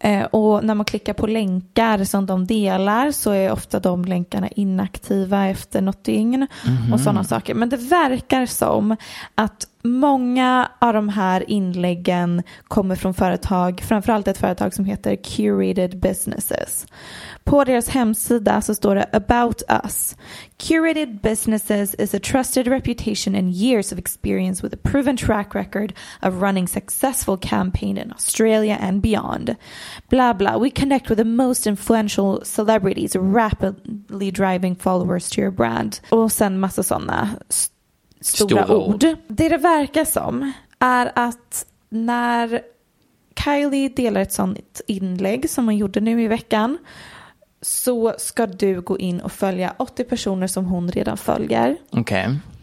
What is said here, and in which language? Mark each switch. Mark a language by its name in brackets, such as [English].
[Swedish] Och när man klickar på länkar som de delar så är ofta de länkarna inaktiva efter något dygn och sådana saker. Men det verkar som att många av de här inläggen kommer från företag, framförallt ett företag som heter Curated Businesses. På deras hemsida så står det About Us. [English] Curated Businesses is a trusted reputation and years of experience with a proven track record of running successful campaign in Australia and beyond. Bla bla. We connect with the most influential celebrities, rapidly driving followers to your brand. [Swedish] Och sen massa sådana stora ord. Det verkar som är att när Kylie delar ett sånt inlägg som hon gjorde nu i veckan så ska du gå in och följa 80 personer som hon redan följer. Okej.